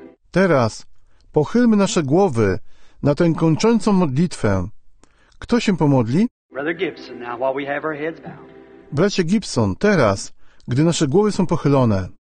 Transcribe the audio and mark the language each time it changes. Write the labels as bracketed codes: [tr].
[pl] Teraz pochylmy nasze głowy na tę kończącą modlitwę. Kto się pomodli? [en] Brother Gibson, now while we have our heads bowed. [pl] Bracie Gibson, teraz, gdy nasze głowy są pochylone.